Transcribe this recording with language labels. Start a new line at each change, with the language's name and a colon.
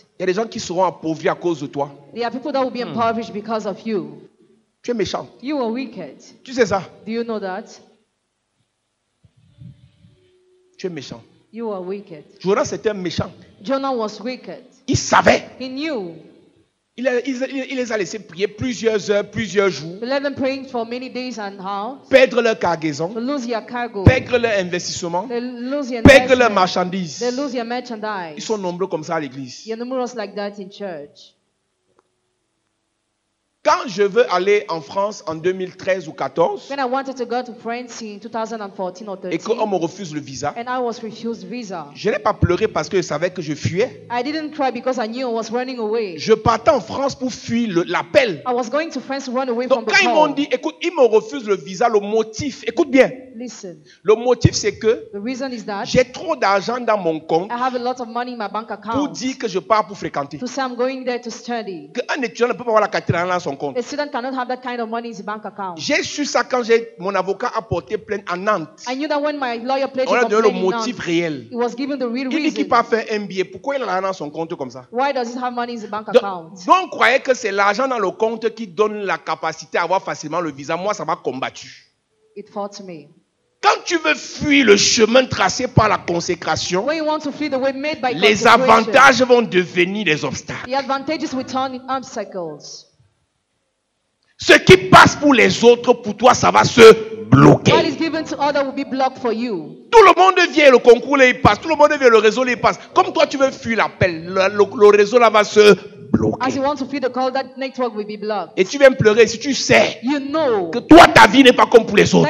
French: Il y a des gens qui seront appauvris à cause de toi.
English: There are people that will be impoverished because of you.
French: Tu es méchant.
English: You are wicked.
French: Tu sais ça?
English: Do you know that?
French: Tu es méchant.
English: You are wicked.
French: Jonas était un méchant.
English: Jonah was wicked.
French: Il savait.
English: He knew.
French: Il les a laissés prier plusieurs heures, plusieurs jours.
English: Let them pray for many days and how?
French: Perdre leur cargaison.
English: They lose their cargo.
French: Perdre leur investissement.
English: They lose their investment.
French: Perdre leur marchandise.
English: They lose their merchandise.
French: Ils sont nombreux comme ça à l'église.
English: You're numerous like that in church.
French: Quand je veux aller en France en 2013 ou 14,
English: when I wanted to go to France in 2014 or 13,
French: et qu'on me refuse le visa,
English: and I was refused visa,
French: je n'ai pas pleuré parce que je savais que je fuyais.
English: I didn't cry because I knew I was running away.
French: Je partais en France pour fuir l'appel.
English: I was going to France to run away.
French: Donc
English: from
French: quand
English: the
French: ils
English: call,
French: m'ont dit, écoute, ils me refusent le visa, le motif, écoute bien.
English: Listen.
French: Le motif c'est que
English: the reason is that
French: j'ai trop d'argent dans mon compte.
English: I have a lot of money in my bank account.
French: Pour dire que je pars pour fréquenter.
English: To say I'm going there to study.
French: Qu'un étudiant ne peut pas avoir la carte dans son compte.
English: A student cannot have that kind of money in his bank account.
French: J'ai su ça quand mon avocat a porté plainte à Nantes.
English: I knew that when my lawyer pleaded
French: on a donné le motif
English: Nantes,
French: réel.
English: It was given the real
French: il
English: reason.
French: Dit qu'il n'a pas fait un billet. Pourquoi il a l'argent dans son compte comme ça?
English: Why does he have money in his bank account?
French: Donc on croyait que c'est l'argent dans le compte qui donne la capacité à avoir facilement le visa. Moi ça m'a combattu.
English: It fought me.
French: Quand tu veux fuir le chemin tracé par la consécration,
English: when you want to flee the way made by
French: les avantages vont devenir des obstacles.
English: The advantages will turn in obstacles.
French: Ce qui passe pour les autres, pour toi, ça va se bloquer.
English: What is given to others will be blocked for you.
French: Tout le monde vient, le concours, là, il passe. Tout le monde vient, le réseau, là, il passe. Comme toi, tu veux fuir l'appel, le réseau, là, va se bloquer.
English: As you want to feel the call, that network will be blocked.
French: Et tu viens pleurer si tu sais,
English: you know,
French: que toi, ta vie n'est pas comme pour les autres.